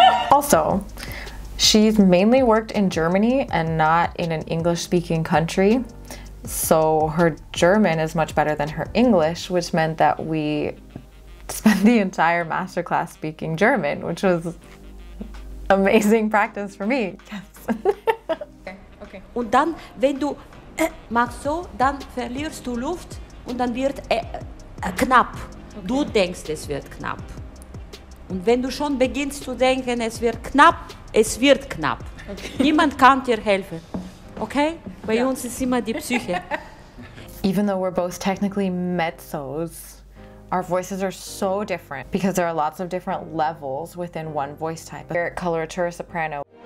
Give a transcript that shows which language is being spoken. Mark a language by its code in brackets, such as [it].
[en] Also, she's mainly worked in Germany and not in an English-speaking country, so her German is much better than her English, which meant that we spent the entire masterclass speaking German, which was amazing practice for me. Yes. Okay. [de] Und dann, wenn du machst so, dann verlierst du Luft und dann wird knapp. Okay. Du denkst, es wird knapp. Und wenn du schon beginnst zu denken, es wird knapp. Okay. Niemand kann dir helfen. Okay? Bei uns ist immer die Psyche. [en] Even though we're both technically mezzos, our voices are so different because there are lots of different levels within one voice type. We're coloratura soprano.